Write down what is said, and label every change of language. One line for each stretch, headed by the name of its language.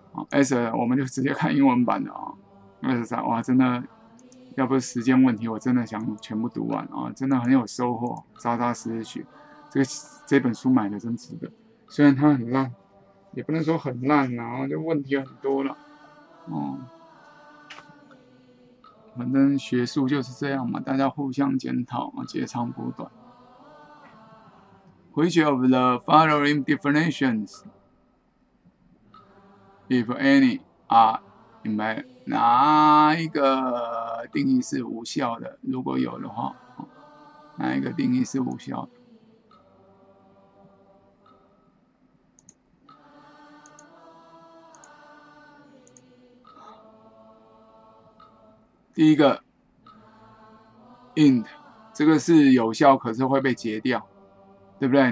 Chinese: S 我们就直接看英文版的S 三，哇，真的，要不是时间问题，我真的想全部读完真的很有收获，扎扎实实学。这本书买的真值得，虽然它很烂，也不能说很烂，然后就问题很多了。反正学术就是这样嘛，大家互相检讨，截长补短。
English: Which of the following definitions, if any, are invalid?
Chinese: 哪一个定义是无效的？如果有的话，哪一个定义是无效的？第一个 int 这个是有效，可是会被截掉，对不对？